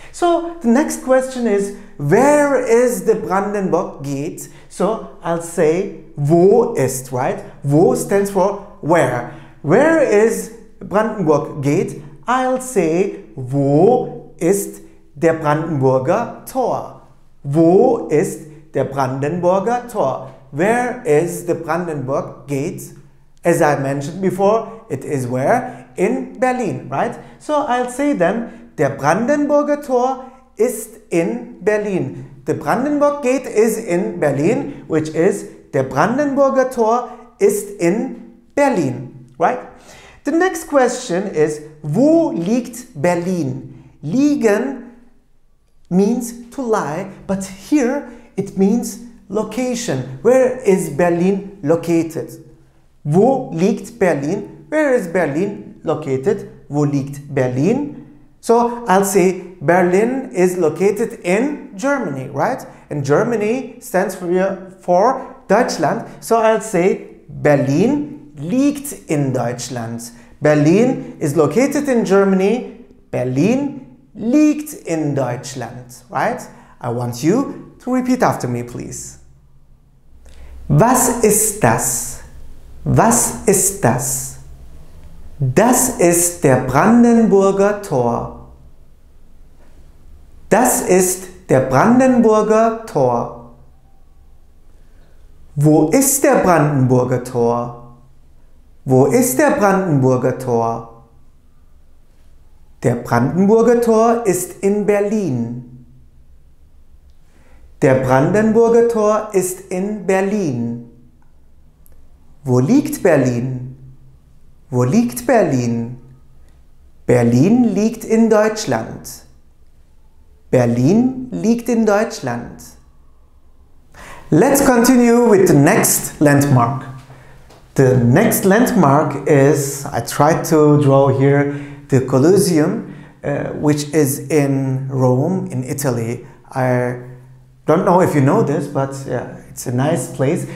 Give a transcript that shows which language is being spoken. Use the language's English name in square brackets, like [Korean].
[English] So the next question is, where is the Brandenburg Gate? So I'll say, [German] wo ist, [English] right? Wo stands for where. Where is Brandenburg Gate? I'll say, [German] wo ist der Brandenburger Tor? Wo ist der Brandenburger Tor? [English] Where is the Brandenburg Gate? As I mentioned before, it is where? In Berlin, right? So I'll say then, [German] der Brandenburger Tor ist in Berlin. [English] The Brandenburg Gate is in Berlin, which is [German] der Brandenburger Tor ist in Berlin, [English] right? The next question is, [German] wo liegt Berlin? [English] Liegen means to lie, but here it means location. Where is Berlin located? [German] Wo liegt Berlin? [English] Where is Berlin located? [German] Wo liegt Berlin? [English] So I'll say Berlin is located in Germany, right? And Germany stands for Deutschland. So I'll say [German] Berlin liegt in Deutschland. [English] Berlin is located in Germany. [German] Berlin liegt in Deutschland, right? [English] I want you to repeat after me, please. [German] Was ist das? Was ist das? Das ist der Brandenburger Tor. Das ist der Brandenburger Tor. Wo ist der Brandenburger Tor? Wo ist der Brandenburger Tor? Der Brandenburger Tor ist in Berlin. Der Brandenburger Tor ist in Berlin. Wo liegt Berlin? Wo liegt Berlin? Berlin liegt in Deutschland. Berlin liegt in Deutschland. [English] Let's continue with the next landmark. The next landmark is, I tried to draw here, the Colosseum, which is in Rome, in Italy. I don't know if you know this, but yeah, it's a nice place.